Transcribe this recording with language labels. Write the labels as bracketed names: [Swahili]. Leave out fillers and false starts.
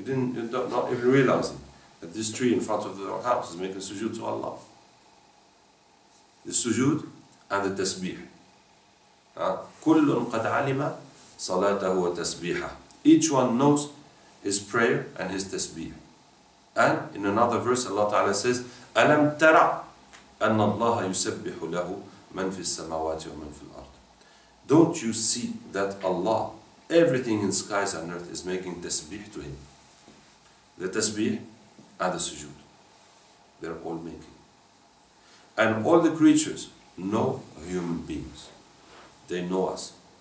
[English] You don't even realize it. That this tree in front of the house is making sujood to Allah. The sujood and the tasbih. [Arabic] كُلٌ قَدْ عَلِمَ صَلَاتَهُ وَتَسْبِيحَ. [English] Each one knows his prayer and his tasbih. And in another verse, Allah Ta'ala says, [Arabic] أَلَمْ تَرَعْ أَنَّ اللَّهَ يُسَبِّحُ لَهُ مَنْ فِي السَّمَوَاتِ وَمَنْ فِي الْأَرْضِ. [English] Don't you see that Allah, everything in skies and earth, is making tasbih to Him? The tasbih and the sujood, they're all making. And all the creatures know human beings. They know us.